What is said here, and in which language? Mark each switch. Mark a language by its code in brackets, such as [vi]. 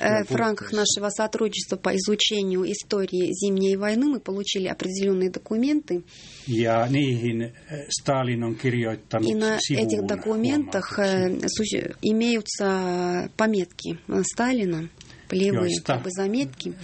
[ru] В рамках нашего сотрудничества по изучению истории Зимней войны мы получили определенные документы. [fi] Ja niihin Stalin on kirjoittanut [ru] сивун. И на этих документах имеются пометки Сталина, полевые заметки.